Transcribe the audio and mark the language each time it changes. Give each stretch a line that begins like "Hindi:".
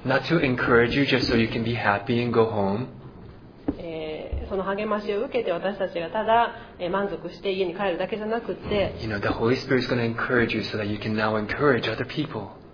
English: Not to encourage you just so you can be happy and go home.
Japanese: その励ましを受けて私たちがただ、満足して家に帰るだけじゃなくて、
English: you know, the Holy Spirit is going to encourage you so that you can now encourage other people.